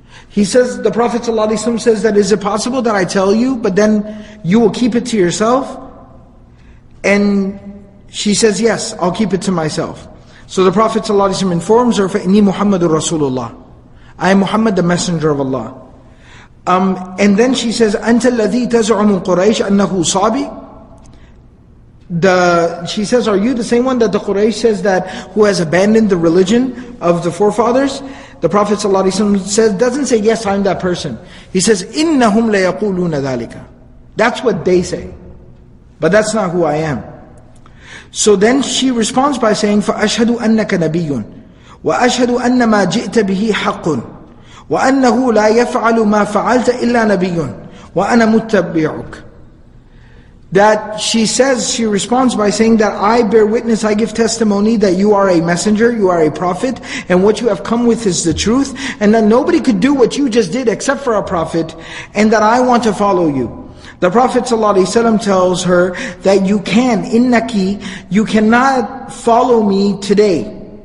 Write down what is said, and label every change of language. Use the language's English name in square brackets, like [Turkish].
[English] He says, the Prophet ﷺ says that, is it possible that I tell you, but then you will keep it to yourself? And she says, yes, I'll keep it to myself. So the Prophet ﷺ informs her, [Arabic] فَإِنِّي مُحَمَّدُ رَسُولُ اللَّهِ. [English] I am Muhammad, the Messenger of Allah. And then she says, [Arabic] أَنْتَ الَّذِي تَزْعُمُ قُرَيْشِ أَنَّهُ صَابِي. [English] She says, are you the same one that the Quraysh says that who has abandoned the religion of the forefathers? The Prophet ﷺ says, doesn't say, yes, I'm that person. He says, [Arabic] إِنَّهُمْ لَيَقُولُونَ ذَلِكَ. [English] That's what they say. But that's not who I am. So then she responds by saying, [Arabic] فَأَشْهَدُ أَنَّكَ نَبِيٌّ وَأَشْهَدُ أَنَّ مَا جِئْتَ بِهِ حَقٌّ وَأَنَّهُ لَا يَفْعَلُ مَا فَعَلْتَ إِلَّا نَبِيٌّ وَأَنَا مُتَّبِّعُكَ. [English] That she says, she responds by saying that I bear witness, I give testimony that you are a messenger, you are a prophet, and what you have come with is the truth, and that nobody could do what you just did except for a prophet, and that I want to follow you. The Prophet ﷺ tells her that you can, innaki, you cannot follow me today.